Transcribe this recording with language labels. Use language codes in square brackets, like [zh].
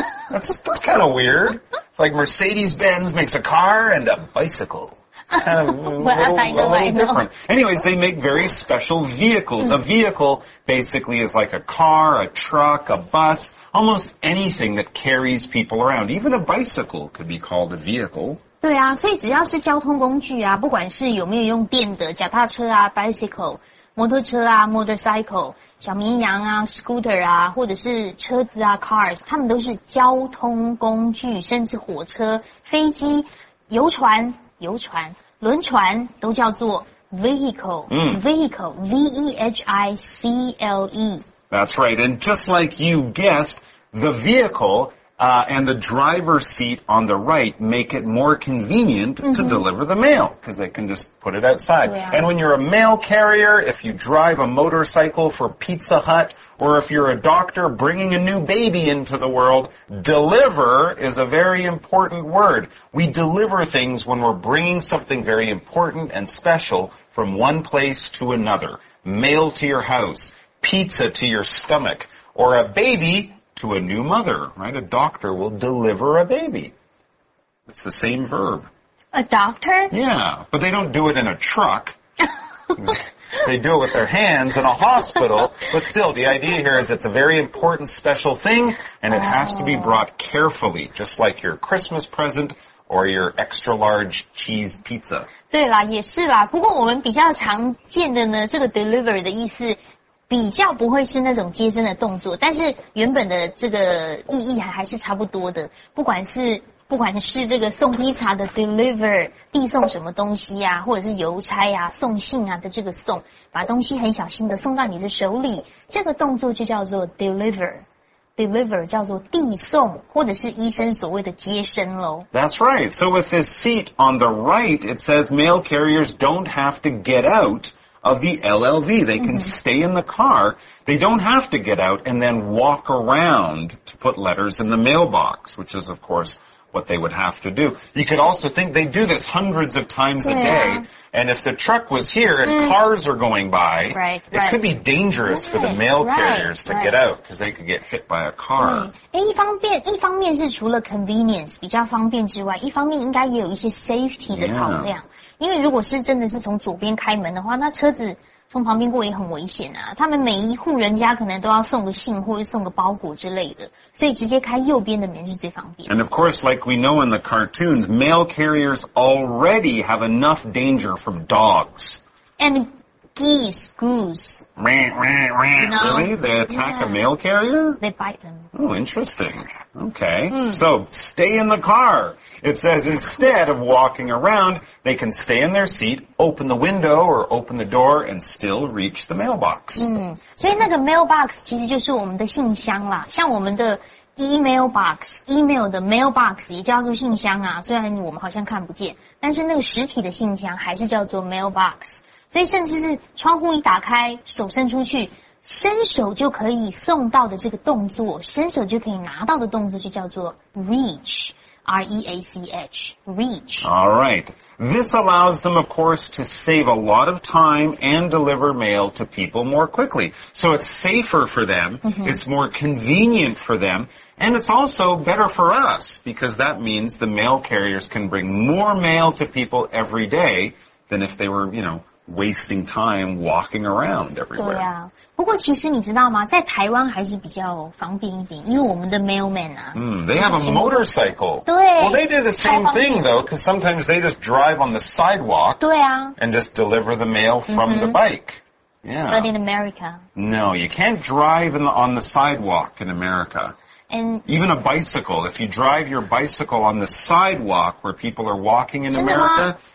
[en] That's kind of weird. It's like Mercedes-Benz makes a car and a bicycle. It's kind of a little different. Anyways, they make very special vehicles. A vehicle basically is like a car, a truck, a bus, almost anything that carries people around. Even a bicycle could be called a vehicle. 对啊，所以只要是交通工具啊，不管是有没有用电的，脚踏车啊 ，bicycle, 摩托车啊 ，motorcycle, 小绵羊啊 ，scooter 啊，或者是车子啊 ，cars, 他们都是交通工具，甚至火车、飞机、游船、轮船都叫做 vehicle, V-E-H-I-C-L-E. That's right. And just like you guessed, the vehicle, and the driver's seat on the right make it more convenient to deliver the mail because they can just put it outside. Yeah. And when you're a mail carrier, if you drive a motorcycle for Pizza Hut, or if you're a doctor bringing a new baby into the world, deliver is a very important word. We deliver things when we're bringing something very important and special from one place to another. Mail to your house, pizza to your stomach, or a babyto a new mother, right? A doctor will deliver a baby. It's the same verb. A doctor? Yeah, but they don't do it in a truck. They do it with their hands in a hospital. But still, the idea here is it's a very important special thing, and it has to be brought carefully, just like your Christmas present or your extra large cheese pizza. [zh] 对啦，也是啦。不过我们比较常见的呢，这个 deliver 的意思比较不会是那种接生的动作，但是原本的这个意义还是差不多的。不管是这个送披萨的 deliver， 递送什么东西啊，或者是邮差啊、送信啊的这个送，把东西很小心的送到你的手里，这个动作就叫做 deliver。 Deliver 叫做递送，或者是医生所谓的接生咯。 [en] That's right. So with this seat on the right, it says mail carriers don't have to get out of the LLV. They can stay in the car. They don't have to get out and then walk around to put letters in the mailbox, which is, of course, what they would have to do. You could also think they do this hundreds of times a day. And if the truck was here and cars are going by, right, it could be dangerous for the mail carriers to get out because they could get hit by a car. [zh] 一方面是除了 convenience 比较方便之外，一方面应该也有一些 safety 的考量。因为如果是真的是从左边开门的话，那车子从旁边过也很危险啊。他们每一户人家可能都要送个信或者送个包裹之类的，所以直接开右边的门是最方便。 [en] And of course, like we know in the cartoons, mail carriers already have enough danger from dogs. And geese, goose. Really? They attack a mail carrier? They bite them. Oh, interesting. Okay. So, stay in the car. It says instead of walking around, they can stay in their seat, open the window or open the door, and still reach the mailbox. [zh] 所以那个 mailbox 其实就是我们的信箱啦。像我们的 email box, email 的 mailbox 也叫做信箱啊。虽然我们好像看不见，但是那个实体的信箱还是叫做 mailbox。所以甚至是窗户一打开，手伸出去，伸手就可以送到的这个动作，伸手就可以拿到的动作就叫做 reach, R-E-A-C-H, reach. [en] All right. This allows them, of course, to save a lot of time and deliver mail to people more quickly. So it's safer for them, it's more convenient for them, and it's also better for us, because that means the mail carriers can bring more mail to people every day than if they were, you know,wasting time walking around everywhere. [zh] 对啊，不过其实你知道吗，在台湾还是比较方便一点，因为我们的 mailman 啊。 [en] They have a motorcycle. [zh] 对。 [en] Well, they do the same thing though, because sometimes they just drive on the sidewalk. [zh] 对啊。 [en] And just deliver the mail from the bike. Yeah. But in America. No, you can't drive on the sidewalk in America. And even a bicycle. If you drive your bicycle on the sidewalk where people are walking in America.